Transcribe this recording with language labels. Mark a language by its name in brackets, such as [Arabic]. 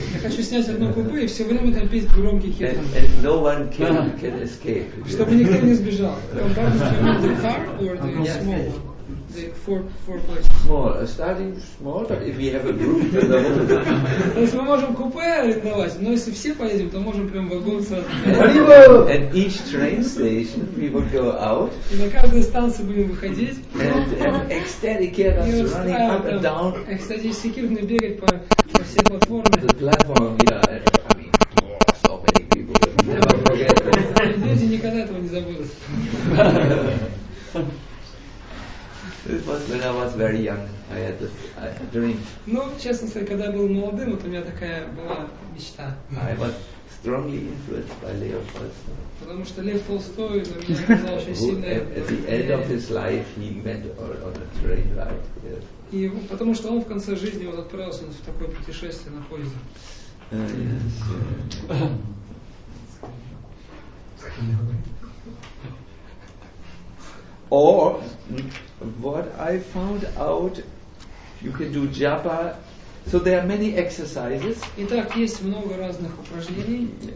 [Russian] Я хочу снять одно купе и все время там петь громкий kirtan. [English] And no one can escape. [Russian] Чтобы никто не сбежал. [English] Compartment in the car or the small. Four places. Small, starting small. If we have a group, [Russian] то есть мы можем купе арендовать, но если все поедем, то можем прям вагон сразу. [English] At each train station, we would go out. [Russian] И на каждой станции будем выходить. [English] And ecstatic kirtans running up and down. [Russian] Экстатические кирны бегать по всей платформе. [English] The platform, yeah. I mean, so many people never forget. [Russian] Люди никогда этого не забудут. [English] It was when I was very young. I had a dream. [Russian] Ну, честно сказать, когда я был молодым, вот у меня такая была мечта. [English] I was strongly influenced by Leo Tolstoy. [Russian] Потому что Лев Толстой на меня оказал очень сильное. [English] At the end of his life, he went on a train ride. [Russian] И потому что он в конце жизни вот отправился в такое путешествие на поезде. [English] Yes. Or what I found out, you can do japa. So there are many exercises. [Russian] Итак, есть много разных упражнений.